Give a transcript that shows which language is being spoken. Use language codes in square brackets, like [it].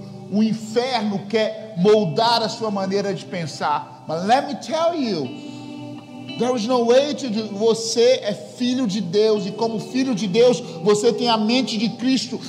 [pt] O inferno quer moldar a sua maneira de pensar. [en] But let me tell you, there is no way to do. [pt] Você é filho de Deus, e como filho de Deus, você tem a mente de Cristo.